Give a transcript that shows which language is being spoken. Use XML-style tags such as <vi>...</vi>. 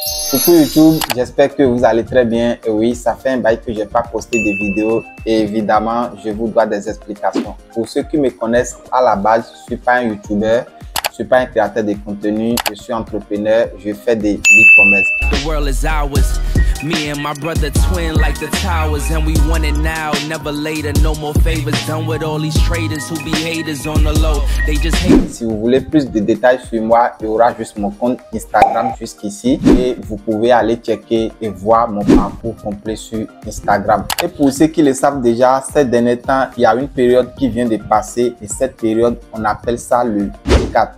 <fr>Coucou YouTube, j'espère que vous allez très bien. Et oui, ça fait un bail que j'ai pas posté de vidéo. Et évidemment, je vous dois des explications. Pour ceux qui me connaissent, à la base, je suis pas un YouTuber. Je suis pas un créateur de contenu, je suis entrepreneur, je fais des e-commerce.</fr> <en>The world is ours, me and my brother twin like the towers, and we want it now, never later, no more favors, done with all these traders who be haters on the low, they just hate.</en> <fr>Si vous voulez plus de détails sur moi, il y aura juste mon compte Instagram jusqu'ici, et vous pouvez aller checker et voir mon parcours complet sur Instagram. Et pour ceux qui le savent déjà, ces derniers temps, il y a une période qui vient de passer, et cette période, on appelle ça le Q4.</fr>